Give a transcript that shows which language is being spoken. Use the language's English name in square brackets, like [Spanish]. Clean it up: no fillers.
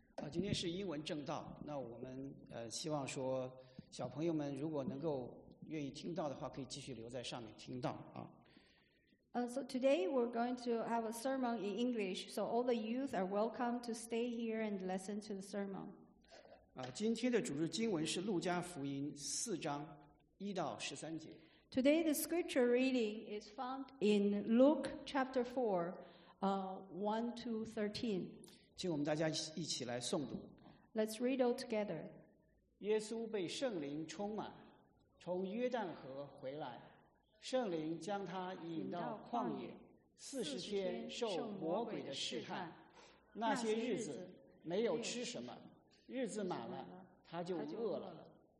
[Chinese] 今天是英文正道，那我们希望说小朋友们如果能够愿意听到的话，可以继续留在上面听到啊。 [English] So today we're going to have a sermon in English, so all the youth are welcome to stay here and listen to the sermon. [Chinese] 今天的主日经文是路加福音四章一到十三节。 [English] Today the scripture reading is found in Luke chapter 4, 1 to 13. [Chinese] 请我们大家一起来诵读。 [English] Let's read all together. [Chinese] 耶稣被圣灵充满，从约旦河回来，圣灵将他引到旷野，四十天受魔鬼的试探。那些日子没有吃什么，日子满了，他就饿了。